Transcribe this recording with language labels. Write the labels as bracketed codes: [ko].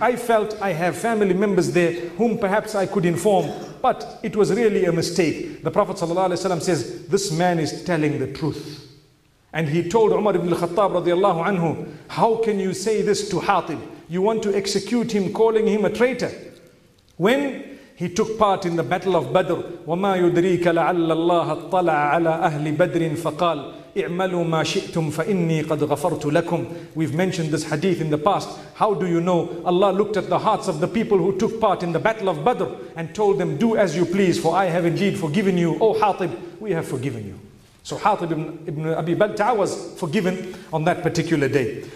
[en] I felt I have family members there whom perhaps I could inform, but it was really a mistake. The Prophet ﷺ says, this man is telling the truth. And he told Umar ibn al-Khattab radiallahu anhu, how can you say this to Hatib? You want to execute him, calling him a traitor. When he took part in the battle of Badr, [ar] وَمَا يُدْرِيكَ لَعَلَّ اللَّهَ اطَّلَعَ عَلَىٰ أَهْلِ بَدْرٍ فَقَالْ اِعْمَلُوا مَا شِئْتُمْ فَإِنِّي قَدْ غَفَرْتُ لَكُمْ. [en] We've mentioned this hadith in the past. How do you know Allah looked at the hearts of the people who took part in the battle of Badr and told them, do as you please, for I have indeed forgiven you. O Hatib, we have forgiven you. So Hatib ibn Abi Balta'a was forgiven on that particular day.